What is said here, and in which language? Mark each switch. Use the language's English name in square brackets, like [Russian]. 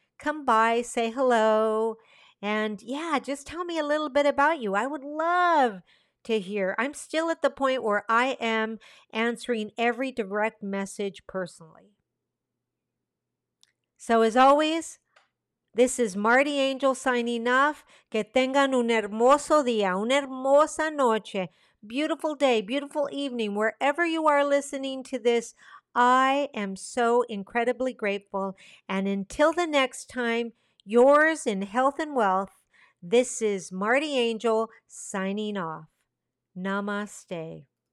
[English] Come by, say hello, and yeah, just tell me a little bit about you. I would love to hear. I'm still at the point where I am answering every direct message personally. So as always, this is Marti Angel signing off. [Spanish] Que tengan un hermoso día, una hermosa noche. [English] Beautiful day, beautiful evening. Wherever you are listening to this, I am so incredibly grateful. And until the next time, yours in health and wealth, this is Marti Angel signing off. Namaste.